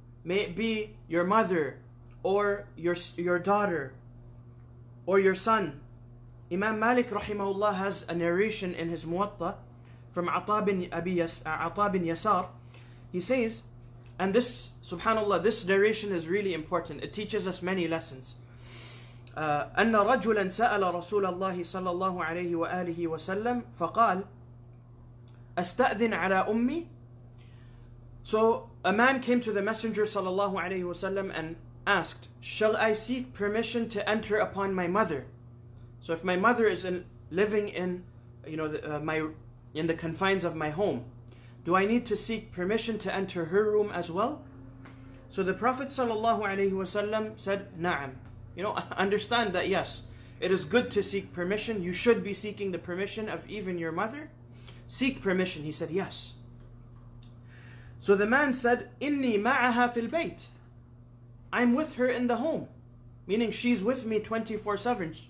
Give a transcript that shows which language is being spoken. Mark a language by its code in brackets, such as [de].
[en] May it be your mother, or your daughter, or your son. Imam Malik rahimahullah has a narration in his Muwatta from Ata bin Yasar. He says, and this, subhanallah, this narration is really important. It teaches us many lessons. [ar] أن رجلا سأل رسول الله صلى الله عليه وآله وسلم فقال أستأذن على أمي. [en] So a man came to the messenger [ar] صلى الله عليه وسلم [en] and asked, shall I seek permission to enter upon my mother? So if my mother is living in the confines of my home, do I need to seek permission to enter her room as well? So the Prophet [ar] صلى الله عليه وسلم [en] said, نعم. You know, understand that yes, it is good to seek permission. You should be seeking the permission of even your mother. Seek permission, he said, yes. So the man said, [ar] إِنِّي مَعَهَا فِي الْبَيْتِ. [en] I'm with her in the home. Meaning she's with me 24/7.